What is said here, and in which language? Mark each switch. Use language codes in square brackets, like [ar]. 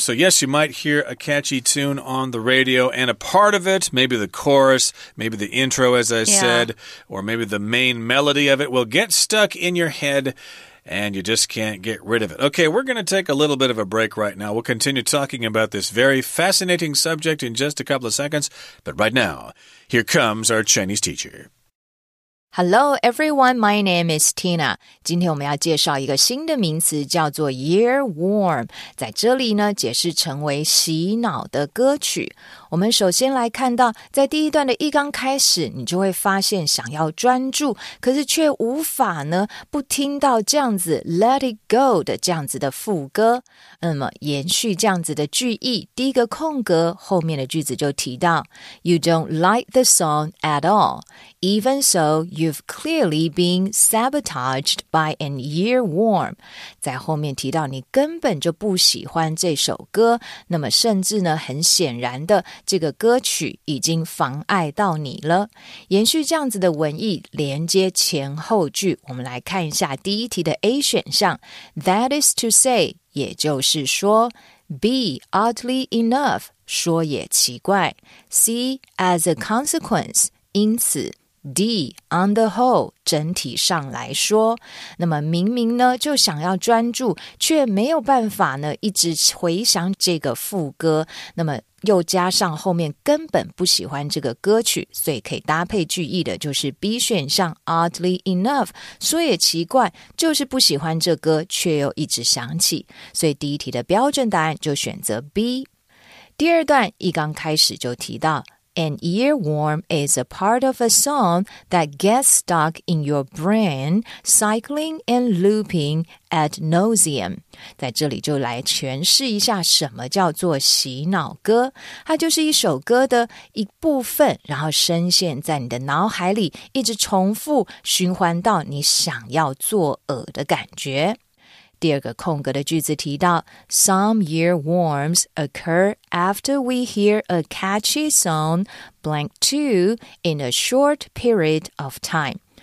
[en] So, yes, you might hear a catchy tune on the radio, and a part of it, maybe the chorus, maybe the intro, as I said, or maybe the main melody of it, will get stuck in your head, and you just can't get rid of it. Okay, we're going to take a little bit of a break right now. We'll continue talking about this very fascinating subject in just a couple of seconds. But right now, here comes our Chinese teacher. Hello, everyone. My name is Tina. [zh] 今天我们要介绍一个新的名词叫做 earworm, 在这里呢解释成为洗脑的歌曲。我们首先来看到在第一段的一刚开始，你就会发现想要专注，可是却无法呢不听到这样子 [en] let it go [zh] 的这样子的副歌。那么延续这样子的句意，第一个空格后面的句子就提到 [en] You don't like the song at all. Even so, you've clearly been sabotaged by an earworm. [zh] 在后面提到你根本就不喜欢这首歌，那么甚至呢很显然的这个歌曲已经妨碍到你了。延续这样子的文意，连接前后句，我们来看一下第一题的 A 选项。 [en] That is to say, [zh] 也就是说 B, [en] oddly enough, [zh] 说也奇怪 C, [en] as a consequence, [zh] 因此 D, [en] on the whole, [zh] 整体上来说。那么明明呢就想要专注，却没有办法呢一直回想这个副歌，那么又加上后面根本不喜欢这个歌曲，所以可以搭配句意的就是 B 选项 [en] oddly enough, [zh] 说也奇怪，就是不喜欢这歌却又一直想起，所以第一题的标准答案就选择 B。第二段一刚开始就提到 [en] An earworm is a part of a song that gets stuck in your brain, cycling and looping ad nauseam. [zh] 在这里就来诠释一下什么叫做洗脑歌。它就是一首歌的一部分，然后深陷在你的脑海里，一直重复循环到你想要作恶的感觉。第二个空格的句子提到 [en] Some earworms occur after we hear a catchy song, blank two, in a short period of time.